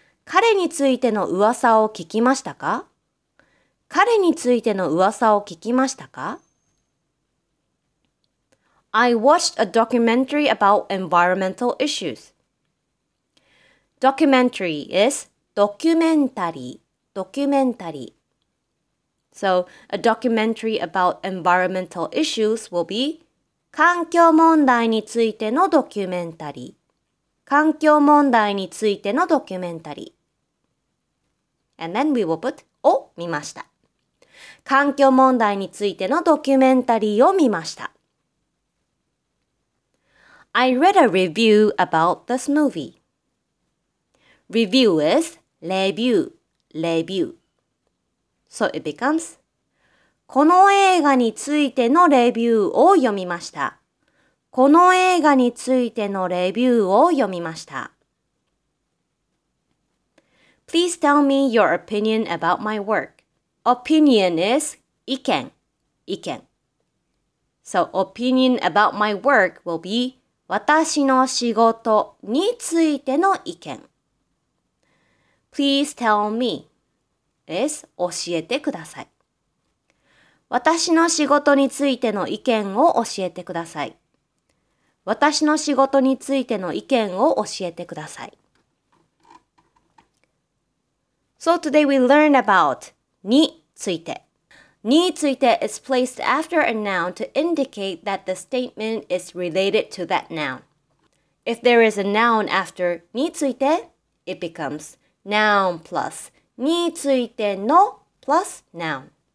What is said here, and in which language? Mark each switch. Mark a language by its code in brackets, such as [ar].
[ja] 彼についての噂を聞きましたか?彼についての噂を聞きましたか? [en] I watched a documentary about environmental issues. Documentary is documentary, documentary. So, a documentary about environmental issues will be [ja] 環境問題についてのドキュメンタリー。環境問題についてのドキュメンタリー。 [en] And then we will put [ja] を見ました。環境問題についてのドキュメンタリーを見ました。 [en] I read a review about this movie. Review is review, review. So it becomes [ja] この映画についてのレビューを読みました。この映画についてのレビューを読みました。 [en] Please tell me your opinion about my work. Opinion is [ja] 意見、意見。 [en] So opinion about my work will be [ja] 私の仕事についての意見。 [en] Please tell me is [ja] 教えてください。私の仕事についての意見を教えてください。私の仕事についての意見を教えてください。 [en] So today we learn about について。 について is placed after a noun to indicate that the statement is related to that noun. If there is a noun after について, it becomes noun plus についての plus noun.